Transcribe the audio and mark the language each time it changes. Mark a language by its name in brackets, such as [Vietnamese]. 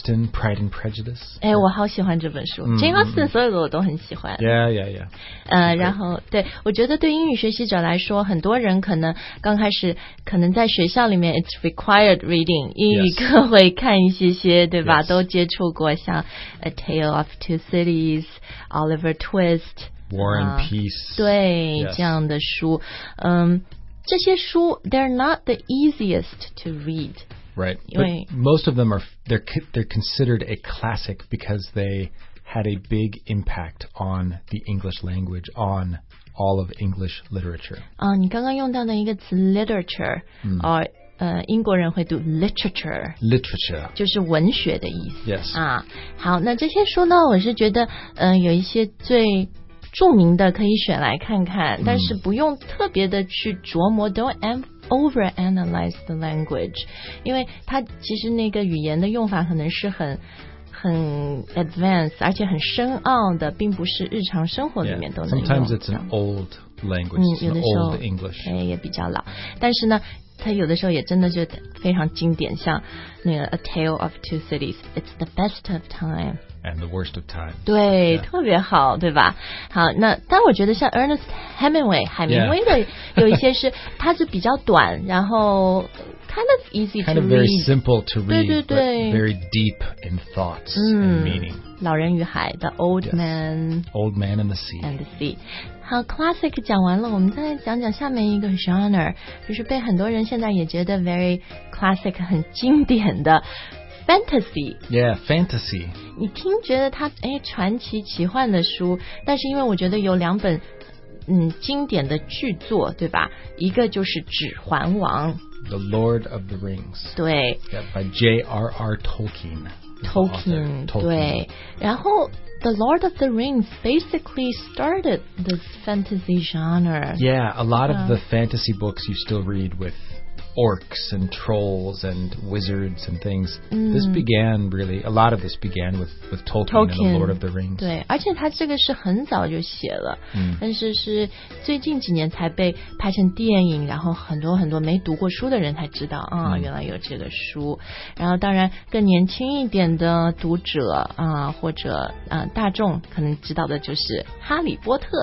[English] Pride and Prejudice [Chinese] 哎我好喜欢这本书、Jane Austen 所有的我都很喜欢 [English] yeah [Chinese] 然后对我觉得对英语学习者来说很多人可能刚开始可能在学校里面 [English] it's required reading [Chinese] 英语课会看一些对吧、 [English] yes. [Chinese] 都接触过像 A Tale of Two Cities Oliver Twist [English] War and Peace [Chinese] 对、 [English] yes. [Chinese] 这样的书这些书 [English] they're not the easiest to read. Right. But most of them are they're considered a classic because they had a big impact on the English language, on all of English literature. [Chinese] 你刚刚用到的一个词 literature, 英国人会读 literature. [English] Literature. [Chinese] 就是文学的意思。 [English] Yes. [Chinese] 好，那这些书呢，我是觉得，有一些最著名的可以选来看看，但是不用特别的去琢磨 ， [English] don't overanalyze the language， [Chinese] 因为它其实那个语言的用法可能是很 advanced， 而且很深奥的，并不是日常生活里面都能用。 [English] Sometimes it's an old language， it's an old English， [Chinese] 也比较老，但是呢。它有的时候也真的就非常经典，像那个《A Tale of Two Cities》， [English] It's the best of time， and the worst of times. [Chinese] 对、yeah. 特别好对吧好那但我觉得像 Ernest Hemingway 海明威的、 [English] yeah. [Chinese] 有一些是它就比较短然后 kind of easy [English] kind to of Kind of very simple to read, [Chinese] 对对对 [English] but very deep in thoughts、嗯、 and meaning. 老人与海 The Old、yes. Man. Old Man and the Sea. And the Sea. [Chinese] 好 ,classic 讲完了我们再讲讲下面一个 genre, 就是被很多人现在也觉得 very classic, 很经典的 fantasy。 [English] Yeah, fantasy. [Chinese] 你听觉得它诶传奇奇幻的书但是因为我觉得有两本嗯经典的巨作对吧一个就是指环王。 [English] The Lord of the Rings. [Chinese] 对。 [English] Yeah, by J.R.R. Tolkien. Tolkien, Tolkien, [Chinese] 对。然后 [English] The Lord of the Rings basically started this fantasy genre. Yeah, a lot、yeah. of the fantasy books you still read with orcs and trolls and wizards and things,、 mm. this began really, a lot of this began with Tolkien and the Lord of the Rings. [Chinese] 对，而且他这个是很早就写了、 mm. 但是是最近几年才被拍成电影然后很多很多没读过书的人才知道、啊 mm. 原来有这个书然后当然更年轻一点的读者、啊、或者、啊、大众可能知道的就是哈利波特